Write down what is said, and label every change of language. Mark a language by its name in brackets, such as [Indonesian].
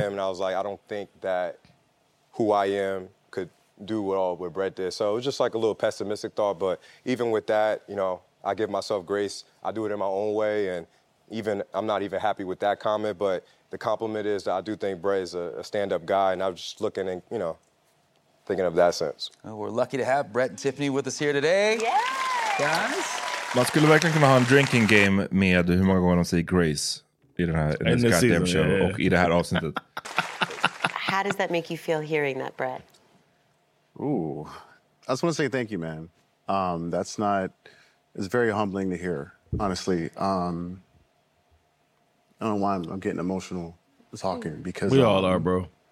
[English] Him and I was like, I don't think that who I am could do what all with Brett did. So it was just like a little pessimistic thought, but even with that, you know, I give myself grace. I do it in my own way, and even I'm not even happy with that comment, but the compliment is that I do think Bray is a stand-up guy, and I was just looking and, you know, thinking of that sense. Well, we're lucky to have Brett and Tiffany with us here today. Yeah! Guys? [Swedish] Man skulle verkligen kunna ha en [English] drinking game [Swedish] med hur många gånger de säger Grace i den här [English] goddamn show [Swedish] och i det här avsnittet. [English] How does that make you feel hearing that, Brett? Ooh. I just want to say thank you, man. That's not... It's very humbling to hear, honestly. I don't know why I'm getting emotional talking because... We all are, bro.